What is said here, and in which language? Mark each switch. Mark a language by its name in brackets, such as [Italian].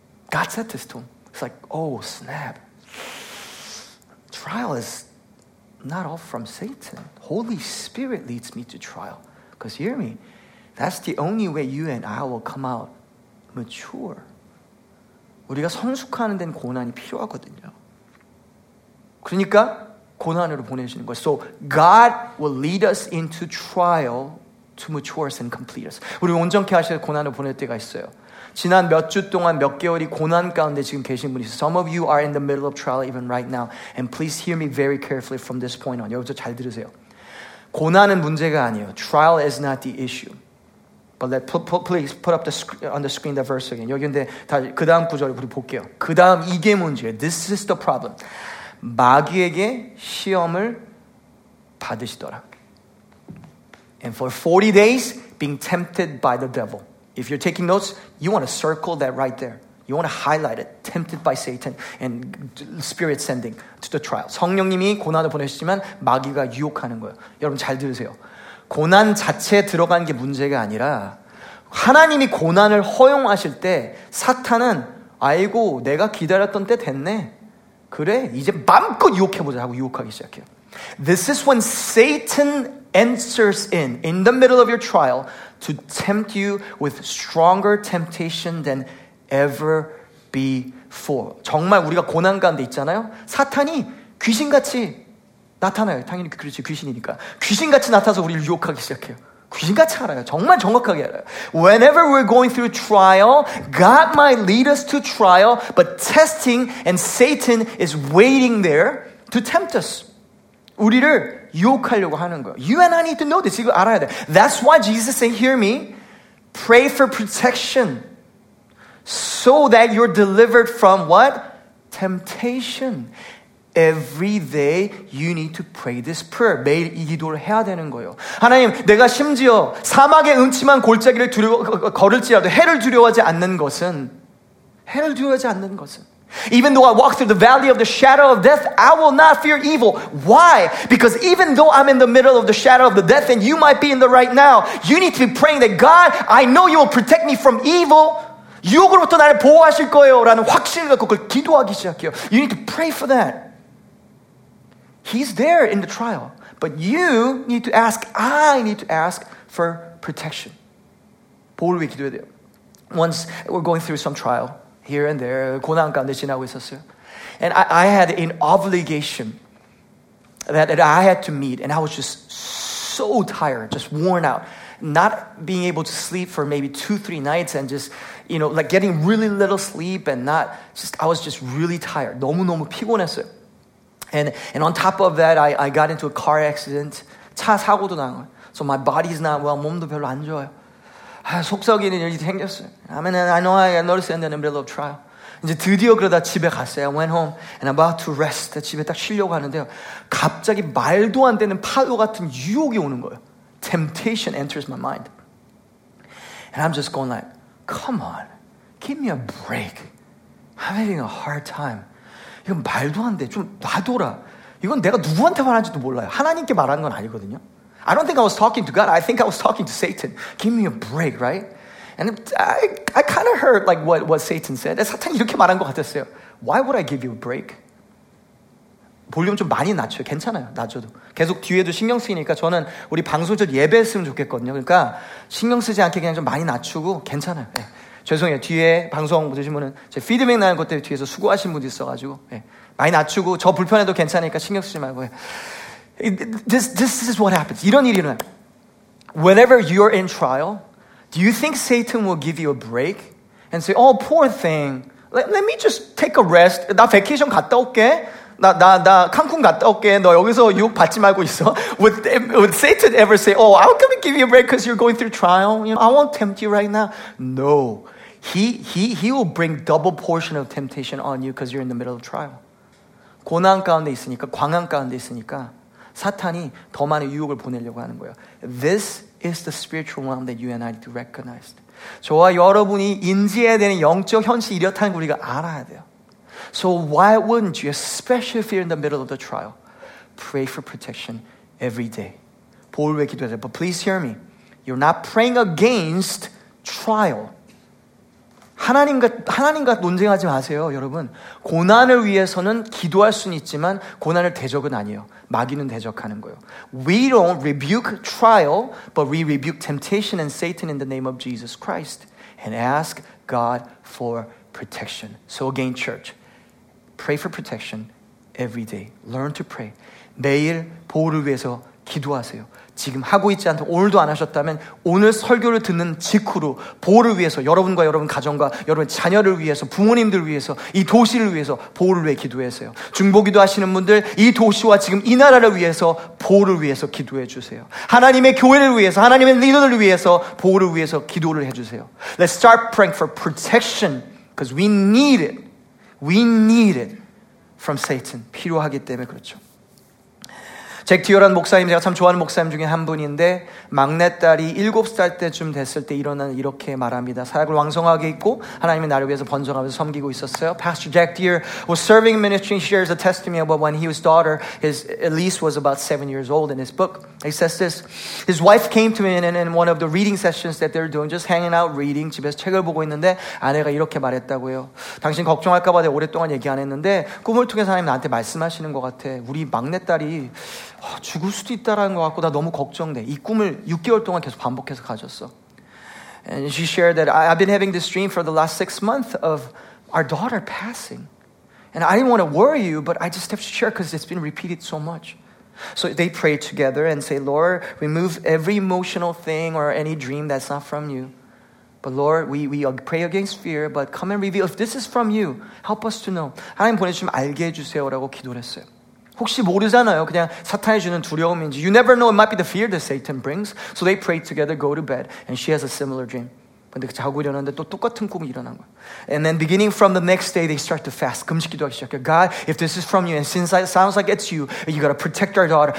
[English] God said this to him. It's like, oh, snap. Trial is not all from Satan. Holy Spirit leads me to trial. Because hear me, that's the only way you and I will come out mature. [Korean] 우리가 성숙하는 데는 고난이 필요하거든요. 그러니까 고난으로 보내시는 거예요. [English] So God will lead us into trial to mature us and complete us. [Korean] 우리 온전케 하셔서 고난을 보낼 때가 있어요. 지난 몇 주 동안 몇 개월이 고난 가운데 지금 계신 분이 있어요. [English] Some of you are in the middle of trial even right now. And please hear me very carefully from this point on. [Korean] 여기서 잘 들으세요. 고난은 문제가 아니에요. [English] Trial is not the issue. But please put up on the screen the verse again. [Korean] 여기 근데 그 다음 구절을 우리 볼게요. 그 다음 이게 문제예요. [English] This is the problem. [Korean] 마귀에게 시험을 받으시더라. [English] And for 40 days being tempted by the devil. If you're taking notes, you want to circle that right there. You want to highlight it. Tempted by Satan and spirit sending to the trial. [Korean] 성령님이 고난을 보내시지만 마귀가 유혹하는 거예요. 여러분 잘 들으세요. 고난 자체에 들어간 게 문제가 아니라 하나님이 고난을 허용하실 때 사탄은 아이고 내가 기다렸던 때 됐네. 그래 이제 마음껏 유혹해보자 하고 유혹하기 시작해요. [English] This is when Satan enters in the middle of your trial, to tempt you with stronger temptation than ever before. [Korean] 정말 우리가 고난 가운데 있잖아요. 사탄이 귀신같이 나타나요. 당연히 그렇지 귀신이니까. 귀신같이 나타나서 우리를 유혹하기 시작해요. 귀신같이 알아요. 정말 정확하게 알아요. [English] Whenever we're going through trial, God might lead us to trial, but testing and Satan is waiting there to tempt us. [Korean] 우리를 유혹하려고 하는 거예요. [English] You and I need to know this. [Korean] 이거 알아야 돼. [English] That's why Jesus said, hear me, pray for protection so that you're delivered from what? Temptation. Every day you need to pray this prayer. [Korean] 매일 이 기도를 해야 되는 거예요. 하나님, 내가 심지어 사막의 음침한 골짜기를 걸을지라도 해를 두려워하지 않는 것은 [English] Even though I walk through the valley of the shadow of death, I will not fear evil. Why? Because even though I'm in the middle of the shadow of the death, and you might be in the right now, you need to be praying that God, I know you will protect me from evil. [Korean] 유혹으로부터 나를 보호하실 거예요. 라는 확신을 갖고 그걸 기도하기 시작해요. [English] You need to pray for that. He's there in the trial. But you need to ask, I need to ask for protection. [Korean] 보호를 위해 기도해야 돼요. [English] Once we're going through some trial, here and there, [Korean] 고난 가운데 지나고 있었어요. [English] And I had an obligation that I had to meet, and I was just so tired, just worn out, not being able to sleep for maybe 2-3 nights, and just, you know, like getting really little sleep, and not just, I was just really tired. [Korean] 너무너무 피곤했어요. [English] And on top of that, I got into a car accident. [Korean] 차 사고도 난 거예요. [English] So my body is not well. [Korean] 몸도 별로 안 좋아요. 아, 속썩이는 일이 생겼어요. [English] I mean, I know I noticed it in the middle of trial. [Korean] 이제 드디어 그러다 집에 갔어요. [English] I went home and I'm about to rest. [Korean] 집에 딱 쉬려고 하는데요. 갑자기 말도 안 되는 파도 같은 유혹이 오는 거예요. [English] Temptation enters my mind. And I'm just going like, come on, give me a break. I'm having a hard time. [Korean] 이건 말도 안 돼. 좀 놔둬라. 이건 내가 누구한테 말하는지도 몰라요. 하나님께 말하는 건 아니거든요. [English] I don't think I was talking to God. I think I was talking to Satan. Give me a break, right? And I kind of heard like what Satan said. [Korean] 사탄 이렇게 말한 것 같았어요. [English] Why would I give you a break? [Korean] 볼륨 좀 많이 낮춰요. 괜찮아요. 낮춰도. 계속 뒤에도 신경 쓰이니까 저는 우리 방송에서 예배했으면 좋겠거든요. 그러니까 신경 쓰지 않게 그냥 좀 많이 낮추고 괜찮아요. 네. 죄송해요. 뒤에 방송 보시면 은 제 피드백 나는 것 때문에 뒤에서 수고하신 분도 있어가지고 네. 많이 낮추고 저 불편해도 괜찮으니까 신경 쓰지 말고요. [English] This is what happens. [Korean] 이런 일이 일어나요. [English] Whenever you're in trial, do you think Satan will give you a break and say, oh, poor thing, let me just take a rest. [Korean] 나 베케이션 갔다 올게. 나 칸쿤 갔다 올게. 너 여기서 유혹 받지 말고 있어. [English] Would Satan ever say, oh, I'm going to give you a break because you're going through trial. You know, I won't tempt you right now. No. He will bring double portion of temptation on you because you're in the middle of trial. [Korean] 고난 가운데 있으니까, 광한 가운데 있으니까 사탄이 더 많은 유혹을 보내려고 하는 거예요. [English] This is the spiritual realm that you and I need to recognize. [Korean] 저와 여러분이 인지해야 되는 영적 현실이 이렇다는 걸 우리가 알아야 돼요. [English] So why wouldn't you, especially if you're in the middle of the trial, pray for protection every day? [Korean] 보혈을 기도해야 돼요. [English] But please hear me. You're not praying against trial. [Korean] 하나님과 논쟁하지 마세요, 여러분. 고난을 위해서는 기도할 수는 있지만 고난을 대적은 아니에요. 마귀는 대적하는 거예요. [English] We don't rebuke trial, but we rebuke temptation and Satan in the name of Jesus Christ and ask God for protection. So again, church, pray for protection every day. Learn to pray. [Korean] 매일 보호를 위해서 기도하세요. 지금 하고 있지 않다, 오늘도 안 하셨다면 오늘 설교를 듣는 직후로 보호를 위해서 여러분과 여러분 가정과 여러분 자녀를 위해서 부모님들을 위해서 이 도시를 위해서 보호를 위해 기도하세요. 중보기도 하시는 분들 이 도시와 지금 이 나라를 위해서 보호를 위해서 기도해 주세요. 하나님의 교회를 위해서 하나님의 리더들을 위해서 보호를 위해서 기도를 해 주세요. [English] Let's start praying for protection because we need it. We need it from Satan. [Korean] 필요하기 때문에 그렇죠. 잭 듀어란 목사님, 제가 참 좋아하는 목사님 중에 한 분인데 막내딸이 7살 때쯤 됐을 때 일어난 이렇게 말합니다. 사역을 왕성하게 했고 하나님의 나를 위해서 번성하면서 섬기고 있었어요. [English] Pastor Jack Deere was serving ministry and shares a testimony about when his daughter, his Elise, was about 7 years old in his book. He says this, his wife came to him in one of the reading sessions that they're doing, just hanging out, reading, [Korean] 집에서 책을 보고 있는데 아내가 이렇게 말했다고요. 당신 걱정할까 봐 내가 오랫동안 얘기 안 했는데 꿈을 통해서 하나님 나한테 말씀하시는 것 같아. 우리 막내딸이 죽을 수도 있다라는 것 같고 나 너무 걱정돼. 이 꿈을 6개월 동안 계속 반복해서 가졌어. [English] And she shared that I've been having this dream for the last 6 months of our daughter passing. And I didn't want to worry you, but I just have to share because it's been repeated so much. So they pray together and say, Lord, remove every emotional thing or any dream that's not from you. But Lord, we pray against fear, but come and reveal. If this is from you, help us to know. [Korean] 하나님 보내주시면 알게 해주세요라고 기도했어요. 혹시 모르잖아요. 그냥 사탄이 주는 두려움인지. [English] You never know. It might be the fear that Satan brings. So they pray together, go to bed. And she has a similar dream. [Korean] 근데 자고 일어났는데 또 똑같은 꿈이 일어난 거야. [English] And then beginning from the next day, they start to fast. [Korean] 금식 기도하기 시작해. [English] God, if this is from you, and since it sounds like it's you, you gotta protect our daughter.